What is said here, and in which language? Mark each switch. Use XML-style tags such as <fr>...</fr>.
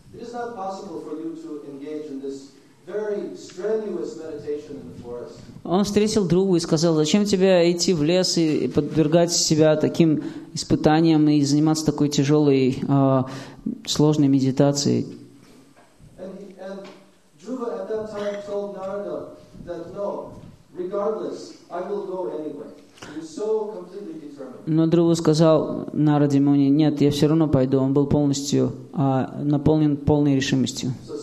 <en>It is not possible for you to engage in this very strenuous meditation in the forest.</en> <ru>Он встретил Дхруву и сказал: зачем тебе идти в лес и подвергать себя таким испытаниям и заниматься такой тяжелой, сложной медитацией?</ru> <en>And Dhruva at that time told Narada that no, regardless, I will go anyway. He was so completely determined.</en> <ru>Но Дхрува сказал Нараде Муни: нет, я все равно пойду. Он был полностью наполнен полной решимостью.</ru>